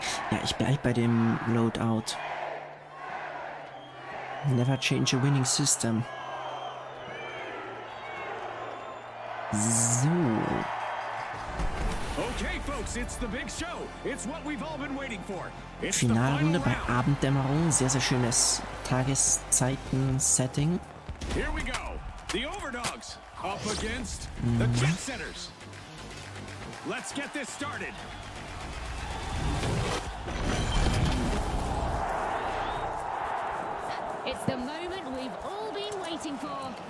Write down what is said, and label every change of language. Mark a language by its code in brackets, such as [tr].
[de] Ja, ich bleib bei dem Loadout. [en] Never change a winning system. So. Okay, folks, it's the big show. It's what we've all been waiting for. [de] Finalrunde bei Abenddämmerung. Sehr, sehr schönes Tageszeiten-Setting. [en] Here we go. The Overdogs up against the Jet Setters. Let's get this started. It's the moment we've all been waiting for.